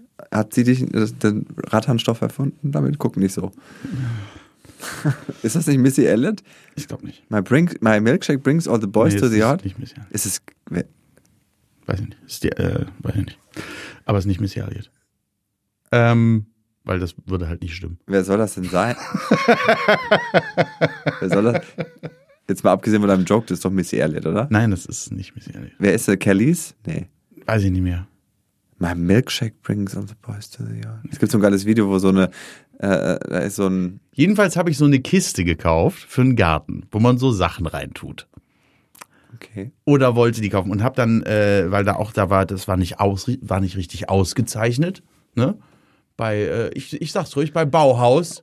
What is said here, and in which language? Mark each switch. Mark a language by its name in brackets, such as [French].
[German] Hat sie dich den Rattanstoff erfunden? Damit guck nicht so. Ist das nicht Missy Elliott? Ich glaube nicht. [English] My milkshake brings all the boys to the yard. [German] Nicht Missy Elliott. Weiß ich nicht. Aber es ist nicht Missy Elliott. Weil das würde halt nicht stimmen. Wer soll das denn sein? Wer soll das? Jetzt mal abgesehen von deinem Joke, das ist doch Missy Elliott, oder? Nein, das ist nicht Missy Elliott. Wer ist der? Kellys? Nee. Weiß ich nicht mehr. [English] My milkshake brings all the boys to the yard. [German] Es gibt so ein geiles Video, wo so eine, da ist so ein... Jedenfalls habe ich so eine Kiste gekauft für einen Garten, wo man so Sachen reintut. Okay. Oder wollte die kaufen und habe dann, weil da auch da war, das war nicht aus, war nicht richtig ausgezeichnet, ne? Bei, ich sag's ruhig, bei Bauhaus.